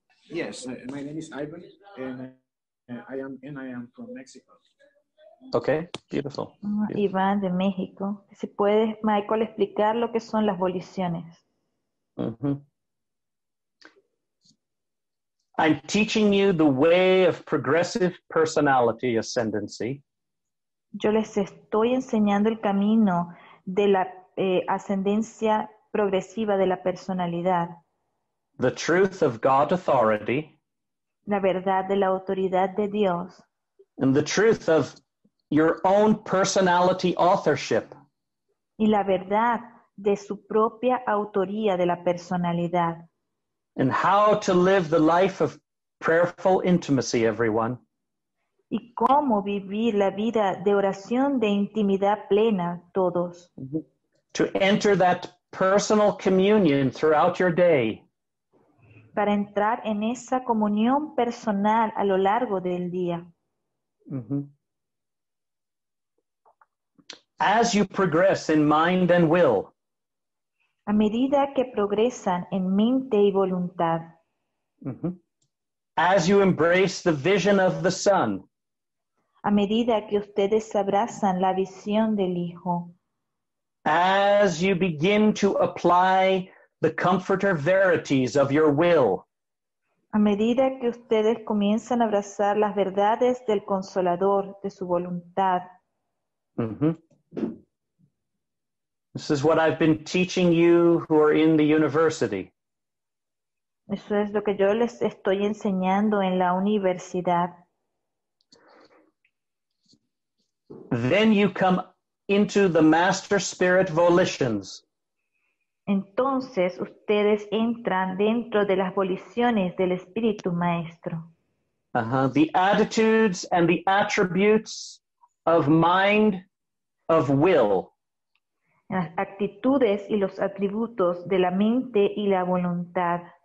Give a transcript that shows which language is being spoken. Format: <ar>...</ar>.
<en>Yes, my name is Ivan, and I am from Mexico. Okay, beautiful.</en> <es>Ivan de México. ¿Se puede, Michael, explicar lo que son las voliciones? Mm-hmm.</es> <en>I'm teaching you the way of progressive personality ascendancy.</en> <es>Yo les estoy enseñando el camino de la ascendencia progresiva de la personalidad.</es> <en>The truth of God authority.</en> <es>La verdad de la autoridad de Dios.</es> <en>And the truth of your own personality authorship.</en> <es>Y la verdad de su propia autoría de la personalidad.</es> <en>And how to live the life of prayerful intimacy, everyone.</en> <es>Y cómo vivir la vida de oración de intimidad plena, todos.</es> <en>To enter that personal communion throughout your day.</en> <es>Para entrar en esa comunión personal a lo largo del día.</es> <en>Mm-hmm. As you progress in mind and will.</en> <es>A medida que progresan en mente y voluntad.</es> <en>Mm-hmm. As you embrace the vision of the Son.</en> <es>A medida que ustedes abrazan la visión del Hijo.</es> <en>As you begin to apply the comforter verities of your will.</en> <es>A medida que ustedes comienzan a abrazar las verdades del Consolador, de su voluntad. Mm-hmm.</es> <en>This is what I've been teaching you who are in the university.</en> <es>Eso es lo que yo les estoy enseñando en la universidad.</es> <en>Then you come into the master spirit volitions.</en> <es>Entonces ustedes entran dentro de las voliciones del espíritu maestro. Uh-huh.</es> <en>The attitudes and the attributes of mind of will.</en> <es>Las actitudes y los atributos de la mente y la voluntad.</es>